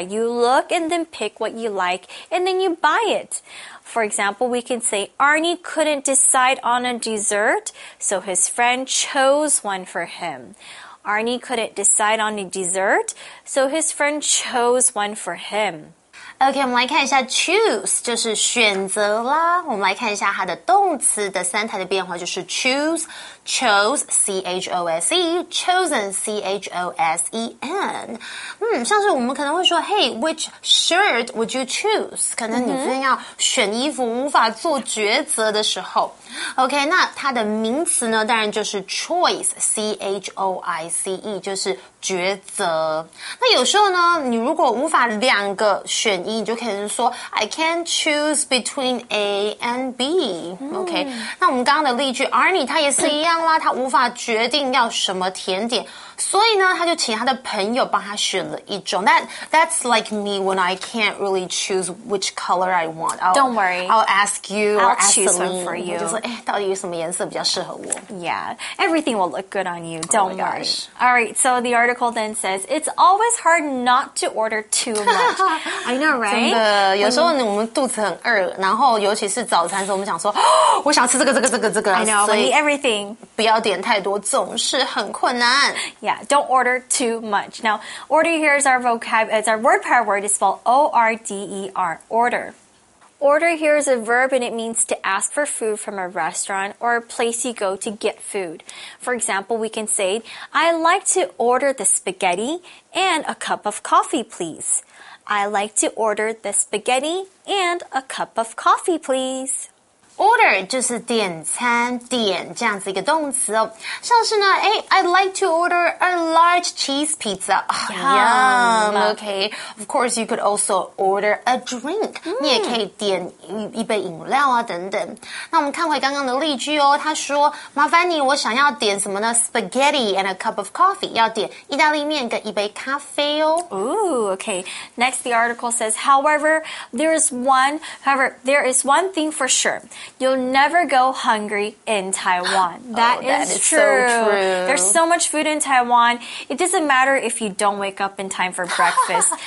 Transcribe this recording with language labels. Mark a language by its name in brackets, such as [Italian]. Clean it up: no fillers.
[English] You look and then pick what you like and then you buy it. For example, we can say Arnie couldn't decide on a dessert, so his friend chose one for him. Arnie couldn't decide on a dessert, so his friend chose one for him. [Chinese] OK, 我们来看一下 choose, 就是选择啦。我们来看一下它的动词的三态的变化就是 choose, chose, C-H-O-S-E, chosen, C-H-O-S-E-N. 像是我们可能会说 [English] Hey, which shirt would you choose? [Chinese] 可能你真要选衣服无法做抉择的时候。 OK, 那它的名词呢当然就是 choice, C-H-O-I-C-E, 就是抉择。那有时候呢你如果无法两个选你就可以说 [English] I can't choose between A and B. [Chinese] OK, 那我们刚刚的例句 Arnie 他也是一样啦他无法决定要什么甜点所以呢他就请他的朋友帮他选了一种 [English] That's like me when I can't really choose which color I want. Don't worry. I'll ask you or ask Celine. I'll choose one for you. [Chinese] 就说、哎、到底有什么颜色比较适合我 [English] Yeah, everything will look good on you. Don't worry. All right, so the article then says it's always hard not to order too much. I know, right? [Chinese] 真的，有时候我们肚子很饿，然后尤其是早餐时候，我们想说，哦，我想吃这个、这个、这个、这个。 [English] I know, we eat everything. [Chinese] 不要点太多，总是很困难。 [English] Yeah, don't order too much. Now, order here is our vocab, it's our word power word. It's spelled O-R-D-E-R, order. Order here is a verb and it means to ask for food from a restaurant or a place you go to get food. For example, we can say, I like to order the spaghetti and a cup of coffee, please. I like to order the spaghetti and a cup of coffee, please. [Chinese] Order 就是点餐点这样子一个动词哦。像是呢，哎 [English] ，I'd like to order a large cheese pizza. Yum. Okay. Of course, you could also order a drink.、Mm. [Chinese] 你也可以点一杯饮料啊，等等。那我们看回刚刚的例句哦，他说：“麻烦你，我想要点什么呢 ？ [English] Spaghetti and a cup of coffee. [Chinese] 要点意大利面跟一杯咖啡哦。” [English] Ooh. Okay. Next, the article says, "However, there is one thing for sure. You'll never go hungry in Taiwan. That is true. There's so much food in Taiwan. It doesn't matter if you don't wake up in time for breakfast.